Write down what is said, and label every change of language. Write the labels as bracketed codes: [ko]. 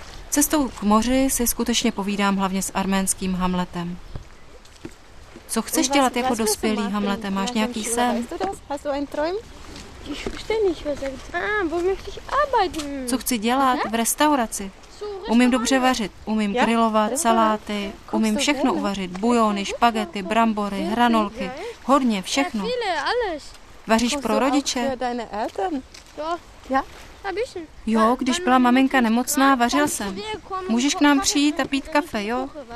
[cs] Co cestou k moři si skutečně povídám hlavně s arménským Hamletem. Co chceš dělat jako dospělý, Hamlete? Máš nějaký sen? [de] Hast du einen Traum? Ich verstehe nicht, was er sagt. Ah, wo möchte ich arbeiten? [cs] Co chci dělat v restauraci? Umím dobře vařit, umím grilovat saláty, umím všechno uvařit, bujony, špagety, brambory, hranolky, hodně, všechno. Vaříš pro rodiče? Jo, když byla maminka nemocná, vařil jsem. Můžeš k nám přijít a pít kafe, jo?